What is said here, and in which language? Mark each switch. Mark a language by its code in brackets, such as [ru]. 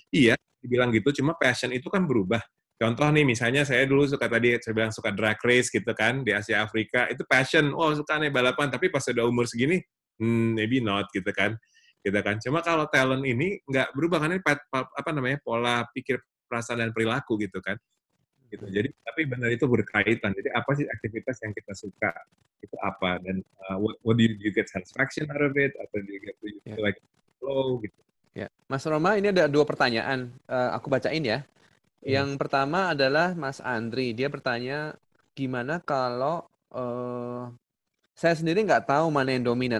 [id] Iya, dibilang gitu. Cuma passion itu kan berubah. Contoh nih, misalnya saya dulu suka tadi, saya bilang suka drag race gitu kan, di Asia Afrika, itu passion. Oh, suka nih balapan. Tapi pas udah umur segini, [en] maybe not [id] gitu kan. Gitu kan. Cuma kalau talent ini nggak berubah, karena ini pola pikir, perasaan, dan perilaku gitu kan. gitu. Jadi tapi benar itu berkaitan. Jadi apa sih aktivitas yang kita suka? Itu apa? Dan [en] what do you get satisfaction out of it? [id] Atau [en] do you get like flow [id] gitu. Ya. Mas Roma, ini ada dua pertanyaan. Aku bacain ya. Yang pertama adalah Mas Andri. Dia bertanya, gimana kalau saya sendiri nggak tahu mana yang dominan.